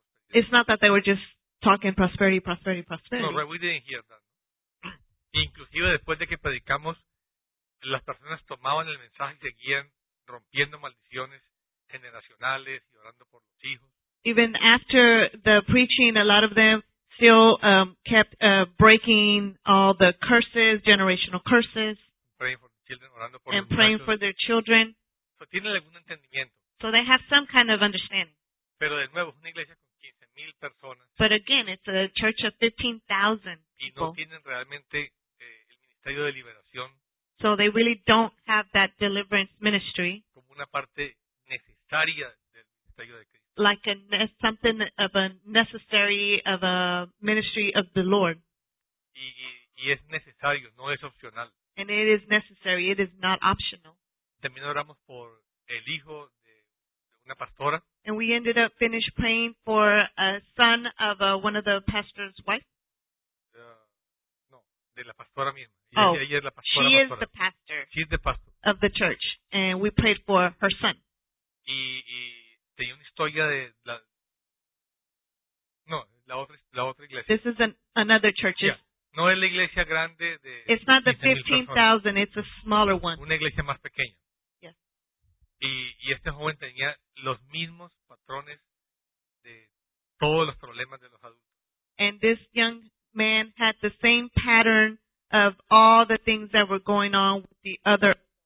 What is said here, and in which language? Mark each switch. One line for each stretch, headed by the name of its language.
English: It's not that they were just talking prosperity. No, we didn't hear that.
Spanish: Inclusive después de que predicamos, las personas tomaban el mensaje y seguían rompiendo maldiciones generacionales y orando por los hijos.
English: Even after the preaching, a lot of them still kept breaking all the curses, generational curses, praying for their children.
Spanish: So, tienen algún entendimiento.
English: So they have some kind of understanding.
Spanish: Pero de nuevo, es una iglesia con 15,000 personas.
English: But again, it's a church of 15,000 people.
Spanish: Y no tienen realmente el ministerio de liberación.
English: So they really don't have that deliverance ministry.
Spanish: Como una parte necesaria del ministerio de Cristo.
English: Like something of a necessary of a ministry of the Lord.
Spanish: Y es necesario, no es opcional.
English: And it is necessary, it is not optional.
Spanish: También oramos por el hijo de una pastora.
English: And we ended up finished praying for a son of one of the pastor's wife.
Spanish: De la pastora misma. Ella es la pastora.
English: She is the pastor. She is the pastor. Of the church. And we prayed for her son.
Spanish: Y tenía una historia de la... No, la otra iglesia.
English: This is another church.
Spanish: Yeah. No es la iglesia grande de...
English: It's not the 15,000, it's a smaller one.
Spanish: Una iglesia más pequeña. Y este joven tenía los mismos patrones de todos los problemas de los adultos.
English: And this young man had the same pattern of all the things that were going on with the other.